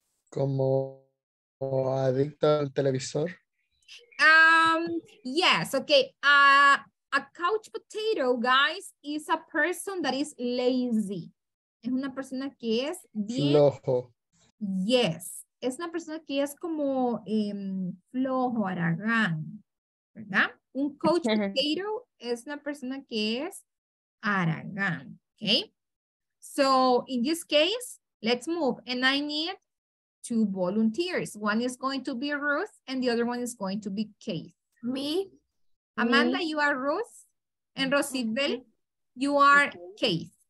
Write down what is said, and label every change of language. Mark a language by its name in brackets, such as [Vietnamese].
[Spanish] Como adicto al televisor. [English] Yes, okay. A couch potato, guys, is a person that is lazy. [Spanish] es una persona que es bien flojo. Yes, es una persona que es como flojo, haragán, ¿verdad? Un coach potato es una persona que es haragán, ¿okay? [English] So in this case, let's move, and I need two volunteers. One is going to be Ruth, and the other one is going to be Kate. Me, Amanda, you are Ruth, and Rosibel, you are Kate.